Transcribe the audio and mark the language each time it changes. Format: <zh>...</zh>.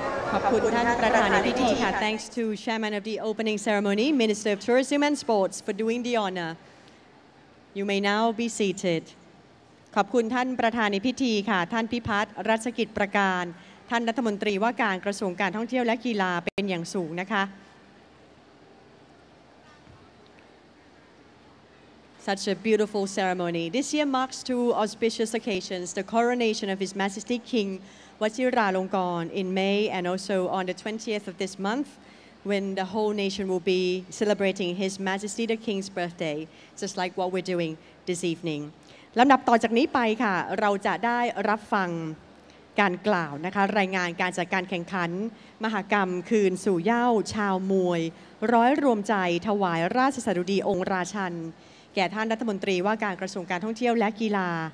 <th>ขอบคุณท่านประธานในพิธีค่ะ</th> <en>Thanks to Chairman of the Opening Ceremony Minister of Tourism and Sports for doing the honor You may now be seated</en> <th>ขอบคุณท่านประธานในพิธีค่ะท่านพิพัฒน์รัชกิจประการท่านรัฐมนตรีว่าการกระทรวงการท่องเที่ยวและกีฬาเป็นอย่างสูงนะคะ</th> <en>Such a beautiful ceremony. This year marks two auspicious occasions, the coronation of His Majesty King Vajiralongkorn in May and also on the 20th of this month when the whole nation will be celebrating His Majesty the King's birthday, just like what we're doing this evening.</en> <th>ลำดับต่อจากนี้ไปค่ะเราจะได้รับฟังการกล่าวนะคะรายงานการจัดการแข่งขันมหกรรมคืนสู่เหย้าชาวมวยร้อยรวมใจถวายราชสดุดีองค์ราชันแก่ท่านรัฐมนตรีว่าการกระทรวงการท่องเที่ยวและกีฬา</th>